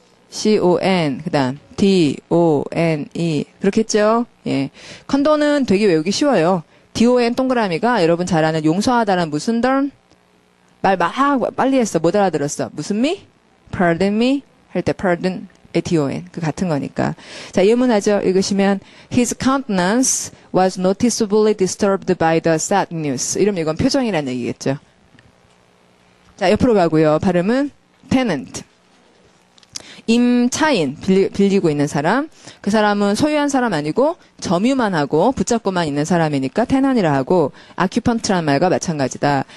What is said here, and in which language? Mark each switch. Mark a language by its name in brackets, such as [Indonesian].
[Korean] con 그다음 done 그렇겠죠? 예, condone은 되게 외우기 쉬워요. don 동그라미가 여러분 잘 아는 용서하다라는 무슨 don 말막 빨리 했어 못 알아들었어 무슨 me? pardon me 할때 pardon don 그 같은 거니까. 자, 예문하죠. 읽으시면 [English] his countenance was noticeably disturbed by the sad news. [Korean] 이러면 이건 표정이라는 얘기겠죠. 자, 옆으로 가고요. 발음은 tenant. 임차인, 빌리고 있는 사람. 그 사람은 소유한 사람 아니고, 점유만 하고, 붙잡고만 있는 사람이니까, tenant이라 하고, occupant란 말과 마찬가지다.